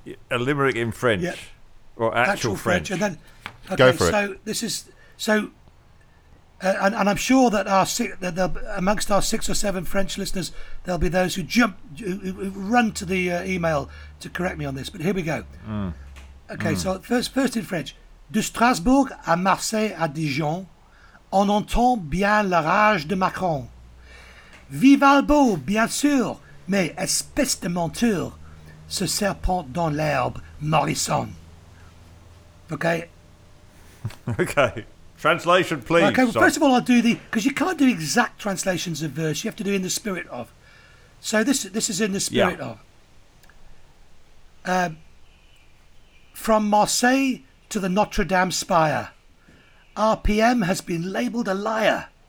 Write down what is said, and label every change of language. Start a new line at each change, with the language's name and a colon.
English: A limerick in French, or actual French. And then, okay, go for so it. And I'm sure that amongst our six or seven French listeners, there'll be those who run to the email to correct me on this. But here we go. So first in French.
French: De Strasbourg à Marseille à Dijon, on entend bien la rage de Macron. Vive Albo, bien sûr, mais espèce de menteur, ce serpent dans l'herbe, Morrison. Okay.
English: Okay. Translation, please. Okay, well, first of all, I'll do the... Because you can't do exact translations of verse. You have to do in the spirit of. So this is in the spirit of. From Marseille to the Notre Dame spire, RPM has been labelled a liar.